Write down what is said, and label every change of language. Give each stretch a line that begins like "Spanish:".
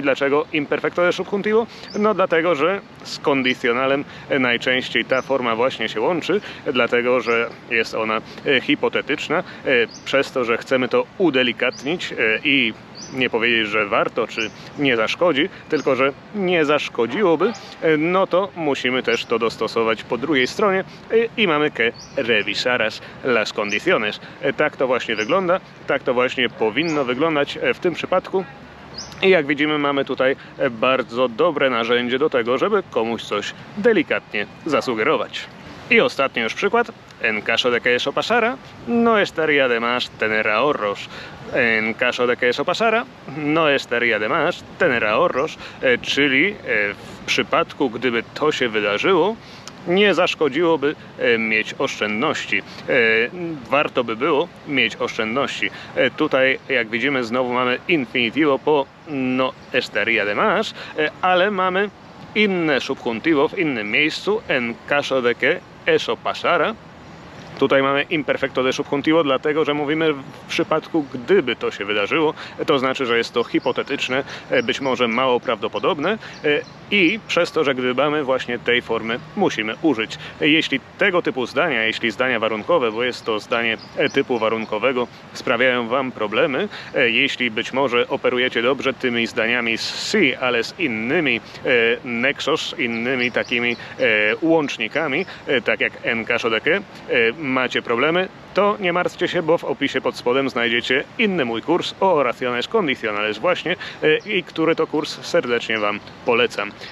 Polish: I dlaczego imperfecto de subjuntivo? No dlatego, że z kondycjonalem najczęściej ta forma właśnie się łączy, dlatego, że jest ona hipotetyczna, przez to, że chcemy to udelikatnić i nie powiedzieć, że warto, czy nie zaszkodzi, tylko że nie zaszkodziłoby, no to musimy też to dostosować po drugiej stronie i mamy
Spanish: que revisaras las condiciones.
Polish: Tak to właśnie wygląda, tak to właśnie powinno wyglądać w tym przypadku. I jak widzimy, mamy tutaj bardzo dobre narzędzie do tego, żeby komuś coś delikatnie zasugerować. I ostatni już przykład.
Spanish: En caso de que eso pasara, no estaría de más tener ahorros. En caso de que eso pasara, no estaría de más tener ahorros.
Polish: Czyli w przypadku, gdyby to się wydarzyło, nie zaszkodziłoby mieć oszczędności. Warto by było mieć oszczędności. Tutaj, jak widzimy, znowu mamy infinitivo po
Spanish: no estaría de más,
Polish: ale mamy inne subjuntivo w innym miejscu.
Spanish: En caso de que eso pasara.
Polish: Tutaj mamy imperfecto de subjuntivo, dlatego że mówimy w przypadku, gdyby to się wydarzyło. To znaczy, że jest to hipotetyczne, być może mało prawdopodobne. I przez to, że gdybamy, właśnie tej formy musimy użyć. Jeśli tego typu zdania, jeśli zdania warunkowe, bo jest to zdanie typu warunkowego, sprawiają wam problemy, jeśli być może operujecie dobrze tymi zdaniami z si, ale z innymi nexos, innymi takimi łącznikami, tak jak
Spanish: en caso de que,
Polish: macie problemy, to nie martwcie się, bo w opisie pod spodem znajdziecie inny mój kurs o oraciones condicionales właśnie i który to kurs serdecznie wam polecam.